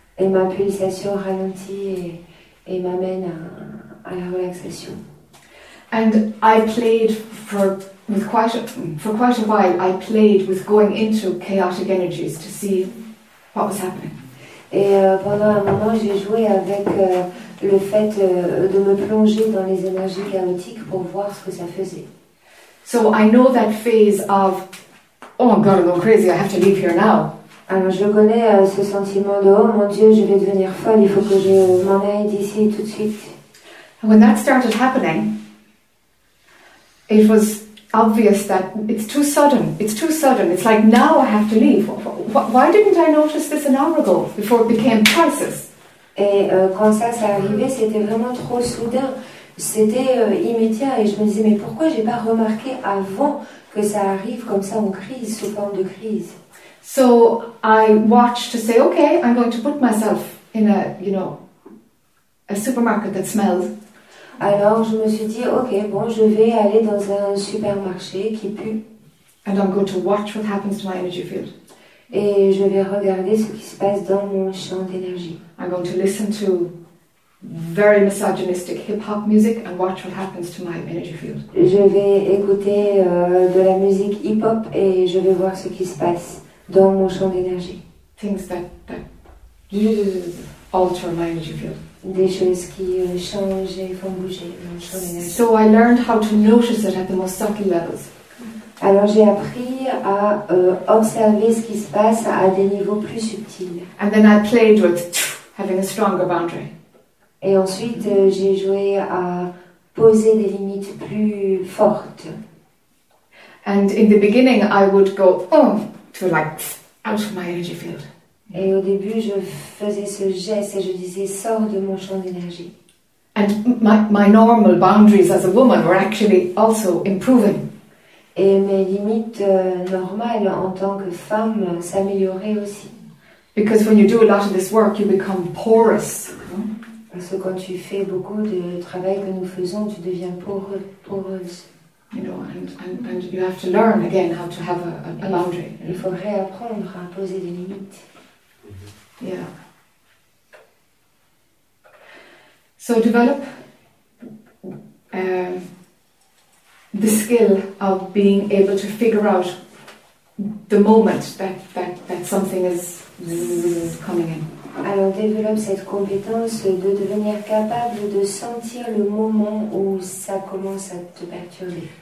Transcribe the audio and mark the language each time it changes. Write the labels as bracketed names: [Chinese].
[French] Et ma pulsation ralentit et m'amène à la relaxation. [English] And I played for quite a while. I played with going into chaotic energies to see what was happening. [French] Et pendant un moment, j'ai joué avec le fait de me plonger dans les énergies chaotiques pour voir ce que ça faisait. [English] So I know that phase of, oh my God, I'm going crazy. I have to leave here now. [French] Alors je connais ce sentiment de, oh mon Dieu, je vais devenir folle. Il faut que je m'en aille d'ici tout de suite. [English] And when that started happening, it was obvious that it's too sudden. It's too sudden. It's like now I have to leave. Why didn't I notice this an hour ago before it became crisis? [French] Et quand ça s'est arrivé, c'était vraiment trop soudain. C'était immédiat et je me disais, mais pourquoi j'ai pas remarqué avant que ça arrive comme ça en crise, sous forme de crise? [English] So I watched to say, okay, I'm going to put myself in a supermarket that smells. [French] Alors je me suis dit, okay, bon, je vais aller dans un supermarché qui pue. [English] And I'm going to watch what happens to my energy field. [French] Et je vais regarder ce qui se passe dans mon champ d'énergie. [English] I'm going to listen to very misogynistic hip-hop music and watch what happens to my energy field. [French] Je vais écouter de la musique hip-hop et je vais voir ce qui se passe dans mon champ d'énergie. [English] Things that alter my energy field. [French] Des choses qui changent et font bouger mon champ d'énergie. [English] So I learned how to notice it at the most subtle levels. [French] Alors j'ai appris à observer ce qui se passe à des niveaux plus subtils. [English] And then I played with having a stronger boundary. [French] Et ensuite, j'ai joué à poser des limites plus fortes. [English] And in the beginning, I would go out of my energy field. [French] Et au début, je faisais ce geste et je disais sors de mon champ d'énergie. [English] And my normal boundaries as a woman were actually also improving. [French] Et mes limites normales en tant que femme s'amélioraient aussi. [English] Because when you do a lot of this work, you become porous. [French] Parce que quand tu fais beaucoup de travail que nous faisons, tu deviens poreuse. [English] You know, and you have to learn again how to have a boundary. [French] Il faut réapprendre à poser des limites. [English] Yeah. So develop the skill of being able to figure out the moment that something is coming in. Alors, développe cette compétence de devenir capable de sentir le moment où ça commence à te perturber.